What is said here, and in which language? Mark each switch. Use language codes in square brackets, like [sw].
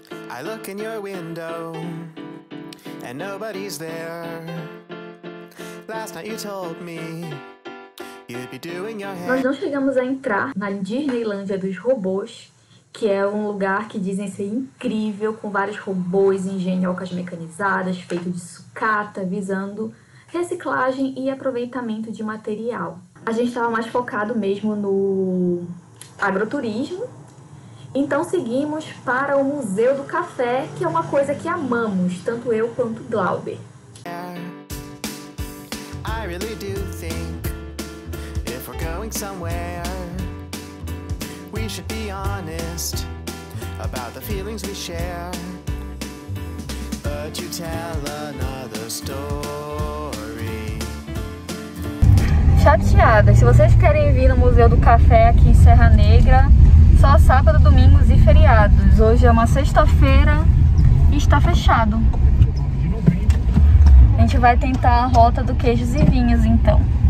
[en] I look in your window and nobody's there. Last night you told me you'd be doing your hair. [pt] Nós não chegamos a entrar na Disneylândia dos robôs, que é um lugar que dizem ser incrível, com vários robôs, engenhocas mecanizadas, feito de sucata, visando reciclagem e aproveitamento de material. A gente estava mais focado mesmo no agroturismo. Então seguimos para o Museu do Café, que é uma coisa que amamos, tanto eu quanto Glauber. [en] I really do think if we're going somewhere, we should be honest about the feelings we share. But you tell another story. [pt] Chateada, se vocês querem vir no Museu do Café aqui em Serra Negra, só sábado, domingos e feriados. Hoje é uma sexta-feira e está fechado. A gente vai tentar a rota do queijos e vinhos, então.